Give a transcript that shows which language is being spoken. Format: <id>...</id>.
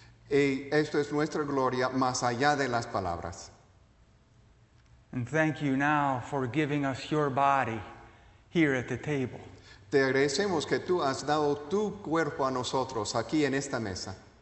<es>Y esto es nuestra gloria más allá de las palabras.</es> <en>And thank you now for giving us your body here at the table.</en> <es>Te agradecemos que tú has dado tu cuerpo a nosotros aquí en esta mesa.</es>